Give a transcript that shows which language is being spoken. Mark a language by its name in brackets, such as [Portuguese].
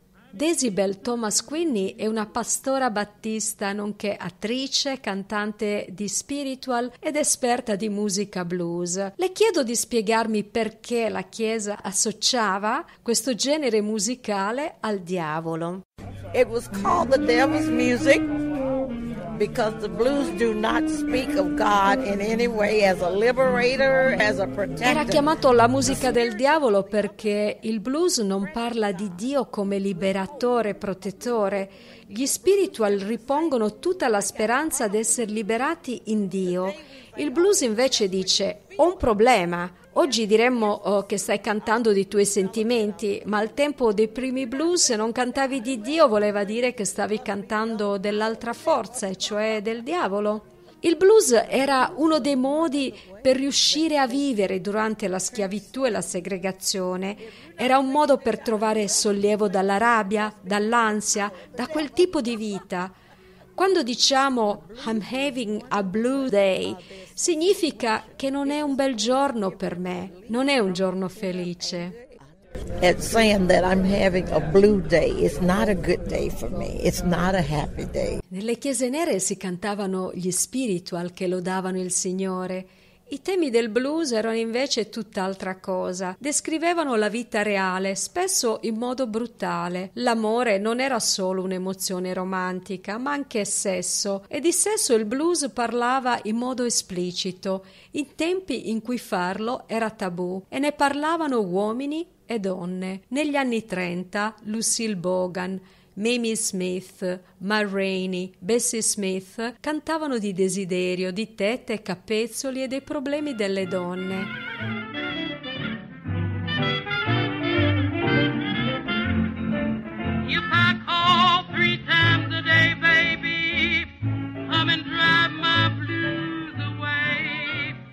[Italian] Desibel Thomas Quinney è una pastora battista, nonché attrice, cantante di spiritual ed esperta di musica blues. Le chiedo di spiegarmi perché la Chiesa associava questo genere musicale al diavolo. [English] It was called the devil's music because the blues do not speak of God in any way as a liberator, as a protector. [Italian] Era chiamato la musica del diavolo perché il blues non parla di Dio come liberatore, protettore. Gli spiritual ripongono tutta la speranza di essere liberati in Dio. Il blues invece dice, ho un problema. Oggi diremmo che stai cantando dei tuoi sentimenti, ma al tempo dei primi blues se non cantavi di Dio voleva dire che stavi cantando dell'altra forza, e cioè del diavolo. Il blues era uno dei modi per riuscire a vivere durante la schiavitù e la segregazione. Era un modo per trovare sollievo dalla rabbia, dall'ansia, da quel tipo di vita. Quando diciamo [English] I'm having a blue day, [Italian] significa che non è un bel giorno per me, non è un giorno felice. [English] It's saying that I'm having a blue day. It's not a good day for me. It's not a happy day. [Italian] Nelle chiese nere si cantavano gli spiritual che lodavano il Signore. I temi del blues erano invece tutt'altra cosa. Descrivevano la vita reale, spesso in modo brutale. L'amore non era solo un'emozione romantica, ma anche sesso. E di sesso il blues parlava in modo esplicito, in tempi in cui farlo era tabù. E ne parlavano uomini e donne. Negli anni 30, Lucille Bogan, Mamie Smith, Ma Rainey, Bessie Smith cantavano di desiderio, di tette, capezzoli e dei problemi delle donne. [English] You pack all three times a day, baby, come and drive my blues away.